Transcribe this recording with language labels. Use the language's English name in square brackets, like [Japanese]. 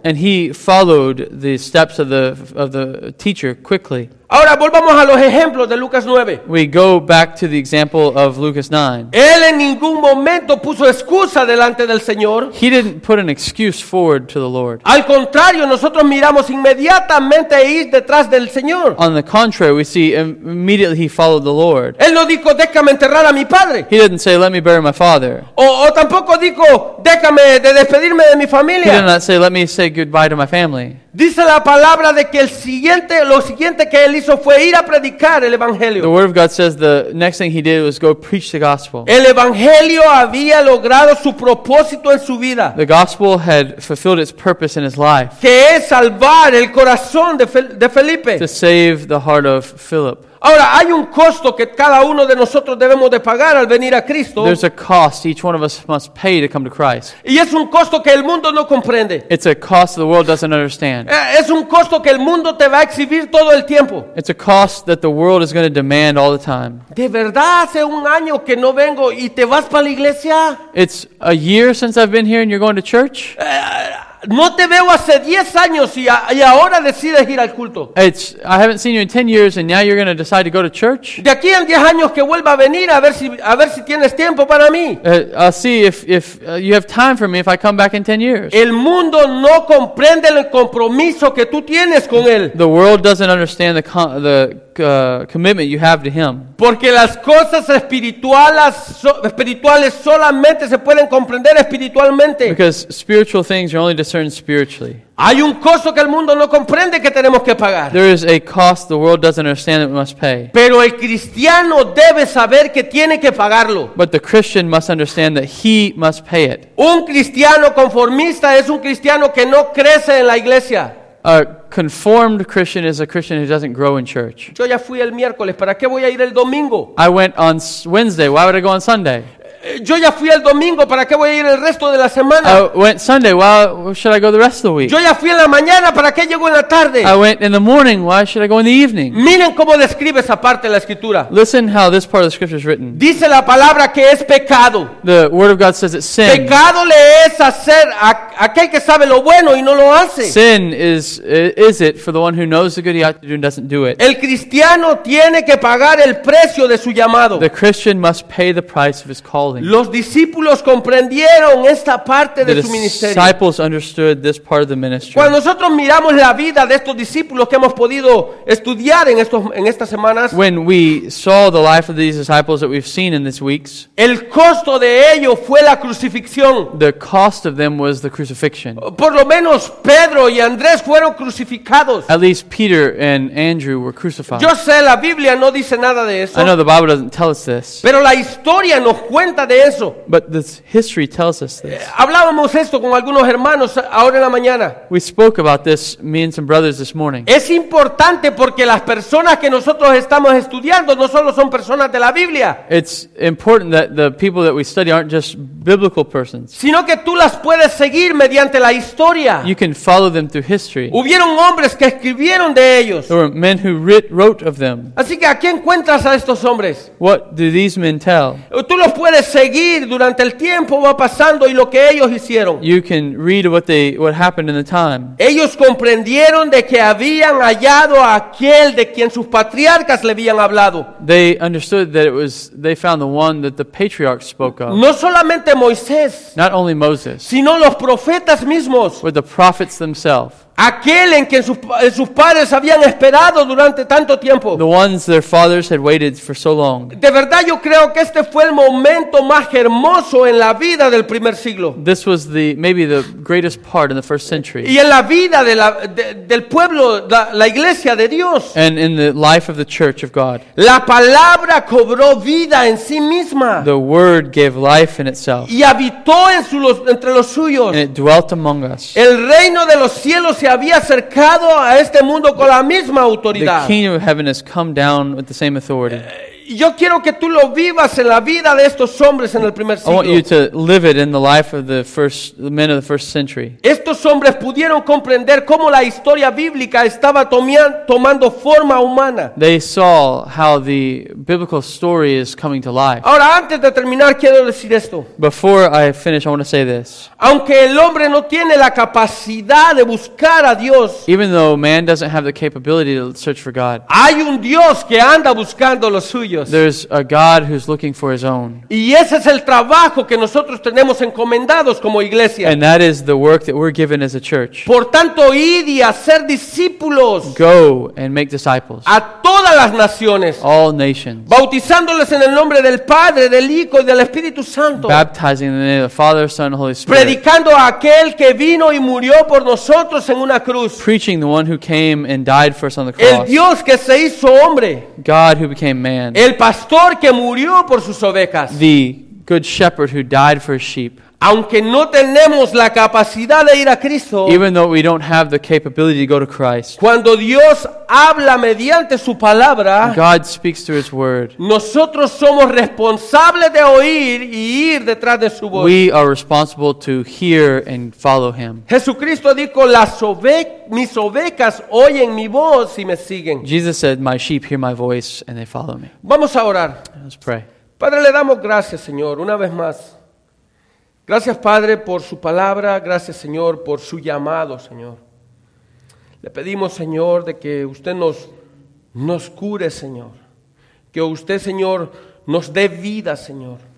[English] And he followed the steps of the teacher quickly. [Spanish] Ahora volvamos a los ejemplos de Lucas 9. [English] We go back to the example of Lucas 9. [Spanish] Él en ningún momento puso excusa delante del Señor. [English] He didn't put an excuse forward to the Lord. [Spanish] Al contrario, nosotros miramos inmediatamente ir detrás del Señor. [English] On the contrary, we see immediately he followed the Lord. [Spanish] Él no dijo, déjame enterrar a mi padre. [English] He didn't say, let me bury my father. [Spanish] O tampoco dijo, déjame de despedirme de mi familia. [English] He did not say, let me say goodbye to my family. [Spanish] Dice la palabra de que lo siguiente que él hizo fue ir a predicar el evangelio. [English] The word of God says the next thing he did was go preach the gospel. [Spanish] El evangelio había logrado su propósito en su vida. [English] The gospel had fulfilled its purpose in his life. [Spanish] Que es salvar el corazón de Felipe. [English] To save the heart of Philip. [Spanish] Ahora, hay un costo que cada uno de nosotros debemos de pagar al venir a Cristo. [English] There's a cost each one of us must pay to come to Christ. [Spanish] Y es un costo que el mundo no comprende. [English] It's a cost the world doesn't understand. [Spanish] Es un costo que el mundo te va a exhibir todo el tiempo. [English] It's a cost that the world is going to demand all the time. [Spanish] ¿De verdad hace un año que no vengo y te vas para la iglesia? [English] It's a year since I've been here and you're going to church? [Spanish] No te veo hace 10 años y ahora decides ir al culto. [English] I haven't seen you in 10 years and now you're going to decide to go to church. [Spanish] De aquí en 10 años que vuelva a venir a ver si tienes tiempo para mí. [English] I'll see if you have time for me if I come back in 10 years. [Spanish] El mundo no comprende el compromiso que tú tienes con él. [English] The world doesn't understand commitment you have to him. [Spanish] Porque las cosas espirituales solamente se pueden comprender espiritualmente. [English] Because spiritual things are only concern spiritually. [Spanish] Hay un costo que el mundo no comprende que tenemos que pagar. [English] There is a cost the world doesn't understand that we must pay. [Spanish] Pero el cristiano debe saber que tiene que pagarlo. [English] But the Christian must understand that he must pay it. [Spanish] Un cristiano conformista es un cristiano que no crece en la iglesia. [English] A conformed Christian is a Christian who doesn't grow in church. [Spanish] Yo ya fui el miércoles, ¿para qué voy a ir el domingo? [English] I went on Wednesday, why would I go on Sunday? [Spanish] Yo ya fui el domingo, ¿para qué voy a ir el resto de la semana? [English] I went Sunday, why should I go the rest of the week? [Spanish] Yo ya fui en la mañana, ¿para qué llego en la tarde? [English] I went in the morning, why should I go in the evening? [Spanish] Miren cómo describe esa parte de la escritura. [English] Listen how this part of the scripture is written. [Spanish] Dice la palabra que es pecado. [English] The word of God says it's sin. [Spanish] Pecado le es hacer a aquel que sabe lo bueno y no lo hace. [English] Sin is it for the one who knows the good he ought to do and doesn't do it. [Spanish] El cristiano tiene que pagar el precio de su llamado. [English] The Christian must pay the price of his calling. [Spanish] Los discípulos comprendieron esta parte de su ministerio. [English] The disciples understood this part of the ministry. [Spanish] Cuando nosotros miramos la vida de estos discípulos que hemos podido estudiar en estas semanas, [English] when we saw the life of these disciples that we've seen in these weeks, [Spanish] el costo de ellos fue la crucifixión. [English] The cost of them was the crucifixion. [Spanish] Por lo menos Pedro y Andrés fueron crucificados. [English] At least Peter and Andrew were crucified. [Spanish] Yo sé, la Biblia no dice nada de eso. [English] I know the Bible doesn't tell us this. [Spanish] Pero la historia nos cuenta. [English] But this history tells us this. [Spanish] Hablábamos esto con algunos hermanos ahora en la mañana. [English] We spoke about this, me and some brothers, this morning. [Spanish] Es importante porque las personas que nosotros estamos estudiando no solo son personas de la Biblia. [English] It's important that the people that we study aren't just biblical persons. [Spanish] Sino que tú las puedes seguir mediante la historia. [English] You can follow them through history. [Spanish] Hubieron hombres que escribieron de ellos. [English] There were men who wrote of them. [Spanish] Así que, ¿a quién encuentras a estos hombres? [English] What do these men tell? [Spanish] Tú los puede seguir durante el tiempo va pasando y lo que ellos hicieron. [English] You can read what happened in the time. [Spanish] Ellos comprendieron de que habían hallado a aquel de quien sus patriarcas le habían hablado. [English] They understood that it was they found the one that the patriarchs spoke of. [Spanish] No solamente Moisés. [English] Not only Moses. [Spanish] Sino los profetas mismos. [English] Were the prophets themselves. [Spanish] Aquel en quien sus padres habían esperado durante tanto tiempo. [English] The ones their fathers had waited for so long. [Spanish] De verdad yo creo que este fue el momento más hermoso en la vida del primer siglo. [English] This was maybe the greatest part in the first century. [Spanish] Y en la vida de del pueblo, la iglesia de Dios. [English] And in the life of the church of God. [Spanish] La palabra cobró vida en sí misma. [English] The word gave life in itself. [Spanish] Y habitó entre los suyos. [English] And it dwelt among us. [Spanish] El reino de los cielos se había acercado a este mundo con la misma autoridad. [English] The kingdom of heaven has come down with the same authority. [Spanish] Yo quiero que tú lo vivas en la vida de estos hombres en el primer siglo. [English] I want you to live it in the life of the men of the first century. [Spanish] Estos hombres pudieron comprender cómo la historia bíblica estaba tomando forma humana. [English] They saw how the biblical story is coming to life. [Spanish] Ahora, antes de terminar, quiero decir esto. [English] Before I finish, I want to say this. [Spanish] Aunque el hombre no tiene la capacidad de buscar a Dios, [English] even though man doesn't have the capability to search for God, [Spanish] hay un Dios que anda buscando lo suyo. [English] There's a God who's looking for his own. [Spanish] Y ese es el trabajo que nosotros tenemos encomendados como iglesia. [English] And that is the work that we're given as a church. [Spanish] Por tanto, id y hacer discípulos. [English] Go and make disciples. [Spanish] A todas las naciones. [English] All nations. [Spanish] Bautizándoles en el nombre del Padre, del Hijo y del Espíritu Santo. [English] Baptizing in the name of the Father, Son, and Holy Spirit. [Spanish] Predicando a aquel que vino y murió por nosotros en una cruz. [English] Preaching the one who came and died for us on the cross. [Spanish] El Dios que se hizo hombre. [English] God who became man. [Spanish] El pastor que murió por sus ovejas. [English] The good shepherd who died for his sheep. [Spanish] Aunque no tenemos la capacidad de ir a Cristo. [English] Even though we don't have the capability to go to Christ. [Spanish] Cuando Dios habla mediante su palabra. [English] God speaks through his word. [Spanish] Nosotros somos responsables de oír y ir detrás de su voz. [English] We are responsible to hear and follow him. [Spanish] Jesucristo dijo, mis ovejas oyen mi voz y me siguen. [English] Jesus said, my sheep hear my voice and they follow me. [Spanish] Vamos a orar. [English] Let's pray. [Spanish] Padre, le damos gracias, Señor, una vez más. Gracias, Padre, por su palabra. Gracias, Señor, por su llamado, Señor. Le pedimos, Señor, de que usted nos cure, Señor. Que usted, Señor, nos dé vida, Señor.